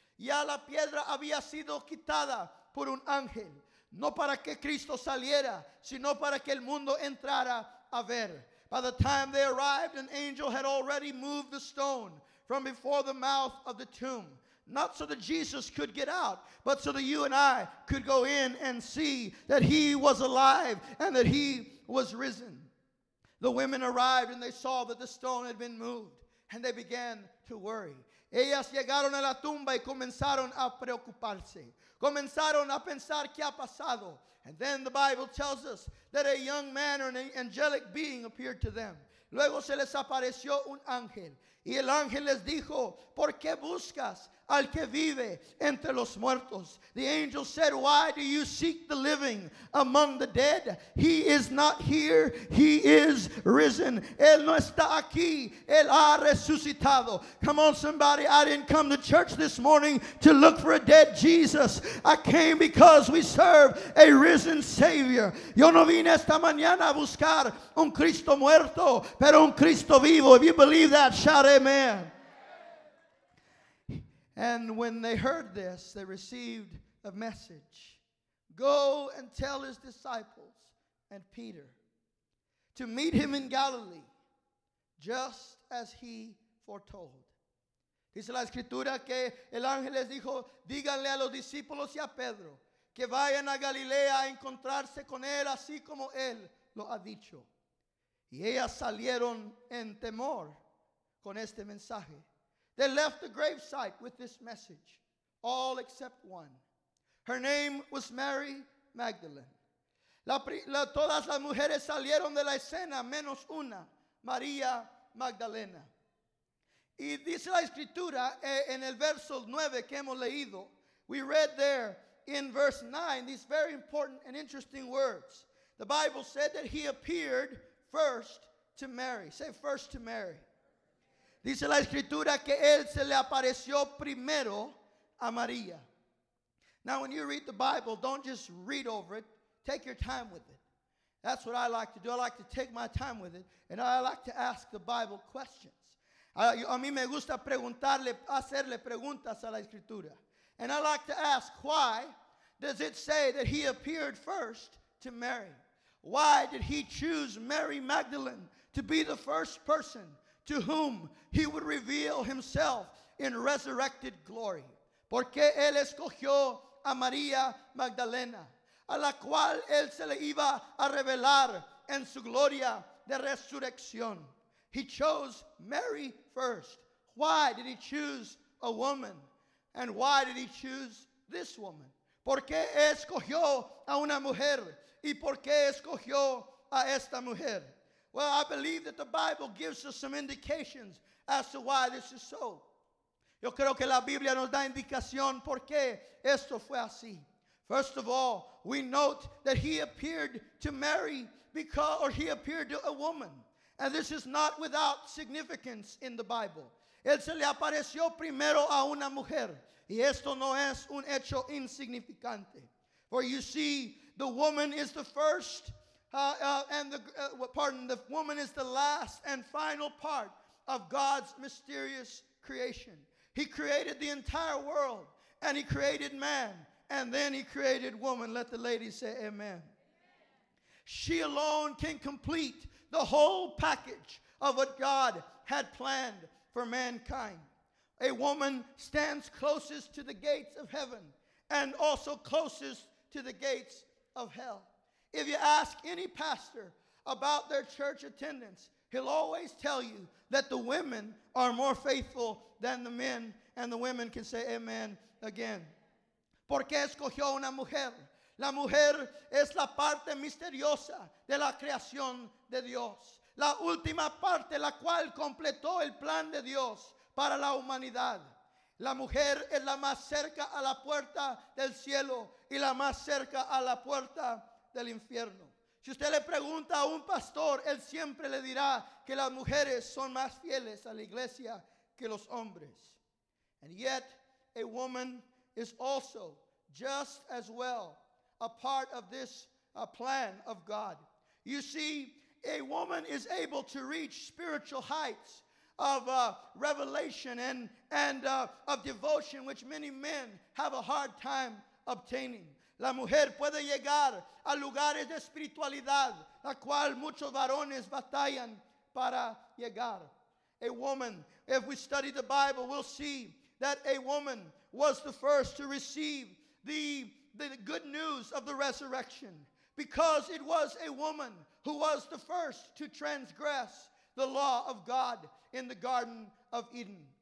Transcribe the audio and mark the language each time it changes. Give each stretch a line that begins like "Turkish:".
Spanish: Ya la piedra había sido quitada por un ángel. No para que Cristo saliera, sino para que el mundo entrara a ver.
English: By the time they arrived, an angel had already moved the stone from before the mouth of the tomb. Not so that Jesus could get out, but so that you and I could go in and see that he was alive and that he was risen. The women arrived and they saw that the stone had been moved, and they began to worry.
Spanish: Ellas llegaron a la tumba y comenzaron a preocuparse. Comenzaron a pensar qué ha pasado.
English: And then the Bible tells us that a young man or an angelic being appeared to them.
Spanish: Luego se les apareció un ángel. Y el ángel les dijo, ¿por qué buscas al que vive entre los muertos?
English: The angel said, why do you seek the living among the dead? He is not here, he is risen.
Spanish: Él no está aquí, él ha resucitado.
English: Come on somebody, I didn't come to church this morning to look for a dead Jesus. I came because we serve a risen Savior.
Spanish: Yo no vine esta mañana a buscar un Cristo muerto, pero un Cristo vivo.
English: If you believe that, shout amen. And when they heard this, they received a message. Go and tell his disciples and Peter to meet him in Galilee, just as he foretold.
Spanish: Dice la escritura que el ángel les dijo, díganle a los discípulos y a Pedro que vayan a Galilea a encontrarse con él así como él lo ha dicho. Y ellas salieron en temor con este mensaje.
English: They left the gravesite with this message, all except one, Her name was Mary Magdalene.
Spanish: Todas las mujeres salieron de la escena, menos una, María Magdalena. Y dice la escritura en el verso 9 que hemos leído.
English: We read there in verse 9 these very important and interesting words. The Bible said that he appeared first to Mary. Say first to Mary.
Spanish: Dice la escritura que él se le apareció primero a María.
English: Now when you read the Bible, don't just read over it. Take your time with it. That's what I like to do. I like to take my time with it. And I like to ask the Bible questions.
Spanish: A mí me gusta preguntarle, hacerle preguntas a la escritura.
English: And I like to ask, why does it say that he appeared first to Mary? Why did he choose Mary Magdalene to be the first person to whom he would reveal himself in resurrected glory?
Spanish: ¿Por qué él escogió a María Magdalena, a la cual él se le iba a revelar en su gloria de resurrección?
English: He chose Mary first. Why did he choose a woman? And why did he choose this woman?
Spanish: ¿Por qué escogió a una mujer? ¿Y por qué escogió a esta mujer?
English: Well, I believe that the Bible gives us some indications as to why this is so.
Spanish: Yo creo que la Biblia nos da indicación por qué esto fue así.
English: First of all, we note that he appeared to Mary because, or he appeared to a woman. And this is not without significance in the Bible.
Spanish: Él se le apareció primero a una mujer. Y esto no es un hecho insignificante.
English: For you see, the woman is the first, the woman is the last and final part of God's mysterious creation. He created the entire world, and he created man, and then he created woman. Let the lady say amen. Amen. She alone can complete the whole package of what God had planned for mankind. A woman stands closest to the gates of heaven and also closest to the gates of hell. If you ask any pastor about their church attendance, he'll always tell you that the women are more faithful than the men, and the women can say amen again.
Spanish: ¿Por qué escogió una mujer? La mujer es la parte misteriosa de la creación de Dios. La última parte la cual completó el plan de Dios para la humanidad. La mujer es la más cerca a la puerta del cielo y la más cerca a la puerta del infierno. Si usted le pregunta a un pastor, él siempre le dirá que las mujeres son más fieles a la iglesia que los hombres.
English: And yet, a woman is also just as well a part of this plan of God. You see, a woman is able to reach spiritual heights of revelation and of devotion, which many men have a hard time obtaining.
Spanish: La mujer puede llegar a lugares de espiritualidad, la cual muchos varones batallan para llegar.
English: A woman, if we study the Bible, we'll see that a woman was the first to receive the good news of the resurrection, because it was a woman who was the first to transgress the law of God in the Garden of Eden.